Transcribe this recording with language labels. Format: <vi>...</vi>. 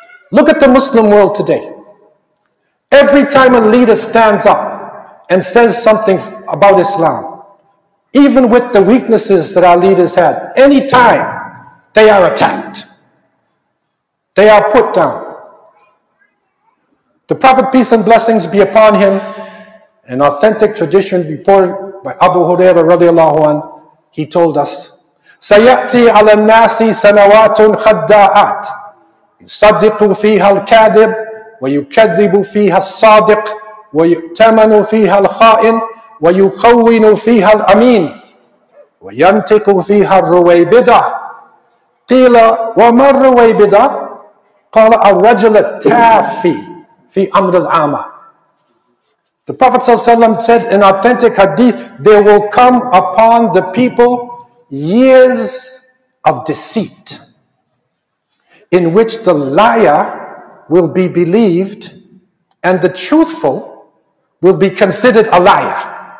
<en>Look at the Muslim world today. Every time a leader stands up and says something about Islam, even with the weaknesses that our leaders had, any time they are attacked, they are put down. The Prophet, peace and blessings be upon him, an authentic tradition reported by Abu Huraira radiallahu anhu, he told us,</en> <ar>سَيَأْتِي عَلَى النَّاسِ سَنَوَاتٌ خَدَّاعَاتٌ يُصَدِّقُ فِيهَا الْكَاذِبُ وَيُكَذِّبُ فِيهَا الصَّادِقُ وَيُؤْتَمَنُ فِيهَا الْخَائِنُ وَيُخَوِّنُ فِيهَا الْأَمِينُ وَيَنْتِقُ فِيهَا الرُّوَيْبِدَةُ قِيلَ وَمَا الرُّوَيْبِدَةُ قَالَ الرَّجُلُ التَّافِي فِي أَمْرِ الْعَامَةِ.</ar> <en>The Prophet ﷺ said in authentic hadith, there will come upon the people years of deceit, in which the liar will be believed and the truthful will be considered a liar.</en>